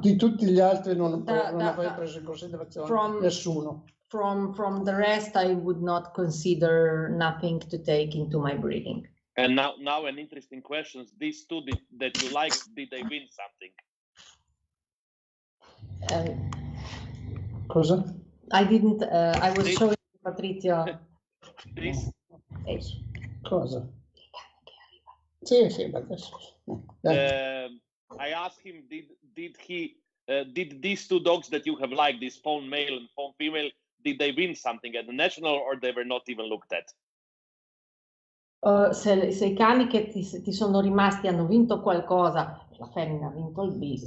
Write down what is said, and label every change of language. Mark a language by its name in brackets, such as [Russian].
[Italian] Di tutti gli altri non avrei preso in considerazione nessuno. [English] From the rest, I would not consider nothing to take into my breeding. And now an interesting question. These two that you like, did they win something? [Italian] Cosa? [English] I didn't. I was showing Patrizio. This? [Italian] Cosa? Sì, [English] I asked him, did these two dogs that you have liked, this phone male and phone female, did they win something at the national, or they were not even looked at? [Italian] Se i cani che ti sono rimasti hanno vinto qualcosa, la femmina ha vinto il beast.